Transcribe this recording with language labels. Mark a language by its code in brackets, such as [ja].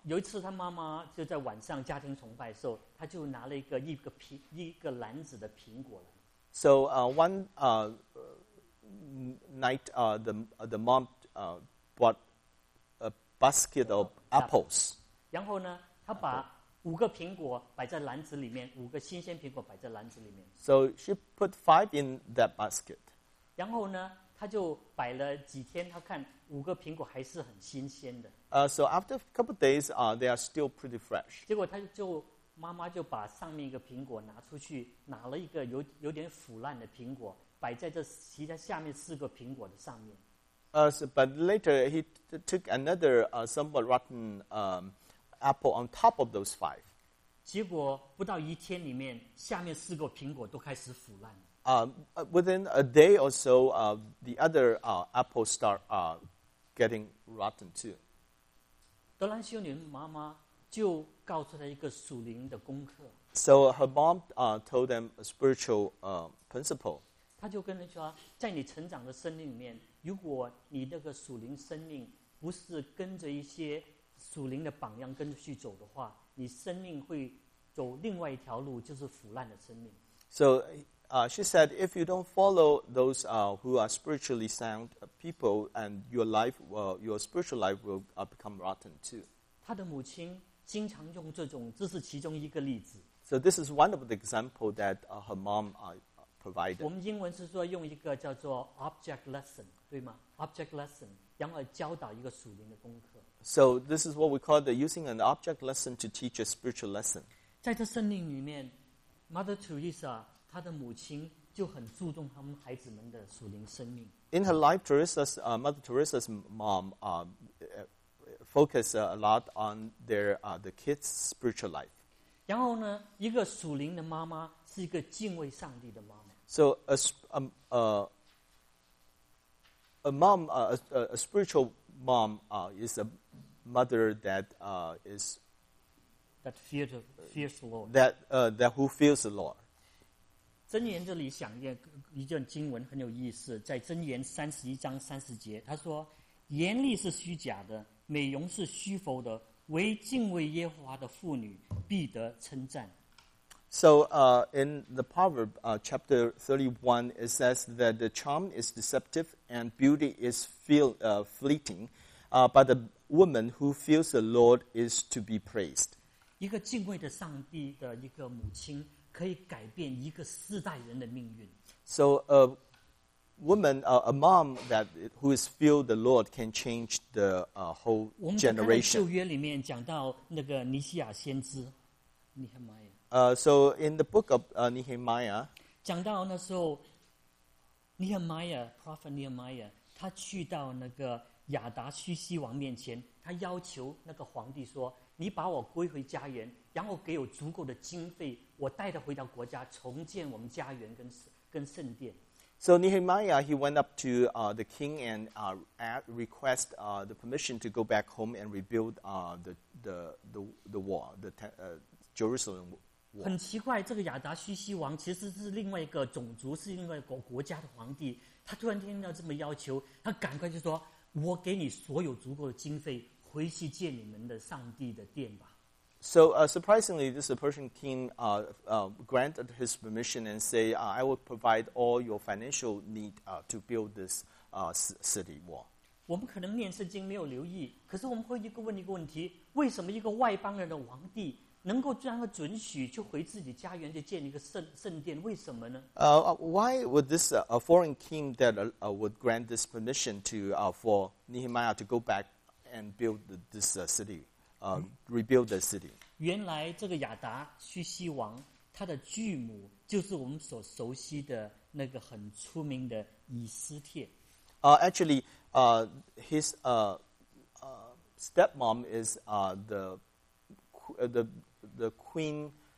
[zh] 有一次，她妈妈就在晚上家庭崇拜的时候，她就拿了一个篮子的苹果来。 [en] So one night, the mom bought a basket of apples. [zh] 然后呢，她把五个苹果摆在篮子里面，五个新鲜苹果摆在篮子里面。 [en] So she put five in that basket. [zh] 然后呢，她就摆了几天，她看五个苹果还是很新鲜的。 [en] So after a couple of days, they are still pretty fresh. [zh] 结果她就妈妈就把上面一个苹果拿出去，拿了一个有点腐烂的苹果，摆在这其他下面四个苹果的上面。 [en] But later he took another somewhat rotten apple on top of those five. [zh] 结果不到一天里面，下面四个苹果都开始腐烂。 [en] Within a day or so, the other apples start getting rotten too. [zh] 德兰修女妈妈就告诉她一个属灵的功课。 [en] So her mom told them a spiritual principle. [zh] 她就跟她说，在你成长的生命里面，如果你那个属灵生命不是跟着一些属灵的榜样跟着去走的话，你生命会走另外一条路，就是腐烂的生命。 [en] So, she said, if you don't follow those who are spiritually sound people, and your life, your spiritual life will become rotten too. [zh] 她的母亲经常用这种，这是其中一个例子。 [en] So this is one of the example that her mom provided. [zh] 我们英文是说用一个叫做 object lesson, 对吗 ？Object lesson, 然后教导一个属灵的功课。 [en] So this is what we call using an object lesson to teach a spiritual lesson. [zh] 在这圣灵里面 ，Mother Teresa 她的母亲就很注重他们孩子们的属灵生命。 [en] In her life, Teresa's Mother Teresa's mom focused a lot on their the kids' spiritual life. [zh] 然后呢，一个属灵的妈妈是一个敬畏上帝的妈妈。 [en] So a spiritual mom is a mother that is that fears the Lord. That who fears the Lord. [zh] 箴言这里想一段经文很有意思，在箴言三十一章三十节，他说：“严厉是虚假的，美容是虚浮的，唯敬畏耶和华的妇女必得称赞。” [en] So in the Proverb chapter 31, it says that the charm is deceptive and beauty is fleeting, but the woman who fears the Lord is to be praised. [zh] 一个敬畏的上帝的一个母亲可以改变一个世代人的命运。 [en] So a woman, a mom who is fearing the Lord can change the whole generation. [zh] 我们在旧约里面讲到那个尼西亚先知尼赫玛雅。 [en] So in the book of Nehemiah, [zh] 讲到那时候 Prophet Nehemiah, 他去到那个亚达须西王面前，他要求那个皇帝说，你把我归回家园，然后给我足够的经费，我带他回到国家，重建我们家园跟圣殿。 [en] So Nehemiah, he went up to the king and request the permission to go back home and rebuild the wall, Jerusalem. [zh] 很奇怪，这个亚达须西王其实是另外一个种族，是另外一个国家的皇帝。他突然听到这么要求，他赶快就说：“我给你所有足够的经费，回去建你们的上帝的殿吧。” [en] So surprisingly, this Persian king granted his permission and say, "I will provide all your financial need to build this city wall." [zh] 我们可能念圣经没有留意，可是我们会问一个问题：为什么一个外邦人的皇帝？能够让他准许就回自己家园就建一个圣殿，为什么呢？ [en] Why would this a foreign king that would grant this permission to for Nehemiah to go back and build this city, rebuild the city? [zh] 原来这个亚达须西王他的继母就是我们所熟悉的那个很出名的以斯帖。 [en] Actually, his stepmom is the queen